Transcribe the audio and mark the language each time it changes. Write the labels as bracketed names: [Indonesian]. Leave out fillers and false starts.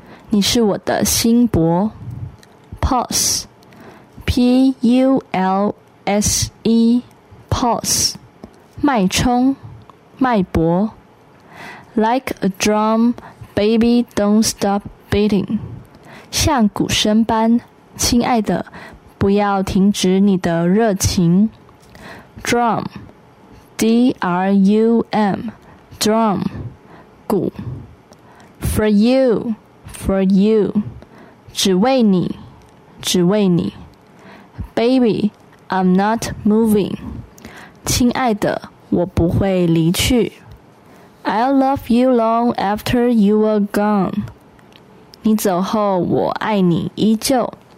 [Chinese] 你是我的心搏。 [English] Pulse, P-U-L-S-E, pulse, [Chinese] 脉冲，脉搏。 [English] Like a drum, baby, don't stop beating. [Chinese] 像鼓声般，亲爱的，不要停止你的热情。 [English] Drum, D-R-U-M. Drum, 鼓 for you, [Chinese] 只为你，只为你 [English] Baby, I'm not moving, [Chinese] 亲爱的，我不会离去 [English] I'll love you long after you are gone, [Chinese] 你走后我爱你依旧